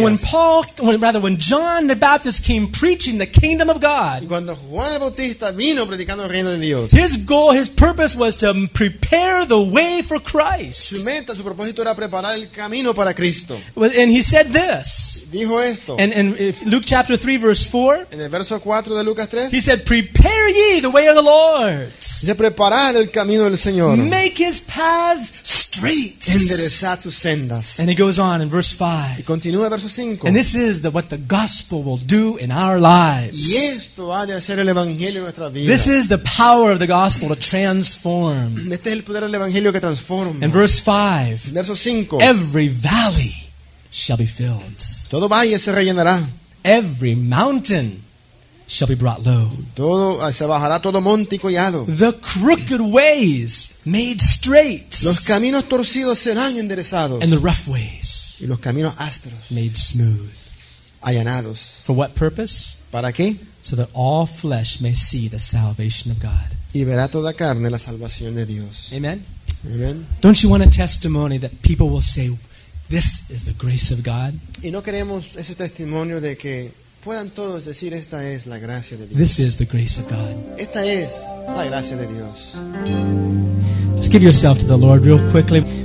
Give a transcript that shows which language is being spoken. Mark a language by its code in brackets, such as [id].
[en] And when John the Baptist came preaching the kingdom of God, [es] cuando Juan el Bautista vino predicando el reino de Dios, [en] his goal, his purpose was to prepare the way for Christ. [es] Su meta, su propósito era preparar el camino para Cristo. [en] And he said this. [es] Dijo esto. [en] And in Luke chapter 3 verse 4, [es] en el verso 4 de Lucas 3, [en] he said, prepare ye the way of the Lord. [es] Dice, preparad el camino del Señor. [en] Make his paths straight. [es] Enderezad sus sendas. [en] And he goes on in verse 5. [es] Y continúa verso 5. [en] And this is what the gospel will do in our lives. [es] Y esto ha de hacer el evangelio en nuestra vida. [en] This is the power of the gospel to transform. [es] Este es el poder del evangelio que transforma. [en] In verse 5. [es] Verso 5. [en] Every valley shall be filled. [es] Todo valle se rellenará. [en] Every mountain shall be brought low. [es] Todo, se bajará todo monte y collado. [en] The crooked ways made straight. [es] Los caminos torcidos serán enderezados. [en] And the rough ways [es] y los caminos ásperos [en] made smooth. [es] Allanados. [en] For what purpose? [es] ¿Para qué? [en] So that all flesh may see the salvation of God. [es] Y verá toda carne la salvación de Dios. [en] Amen. [es] Amen. [en] Don't you want a testimony that people will say, this is the grace of God? [es] Y no queremos ese testimonio de que puedan todos decir esta es la gracia de Dios. [en] This is the grace of God. [es] Esta es la gracia de Dios. [en] Just give yourself to the Lord real quickly.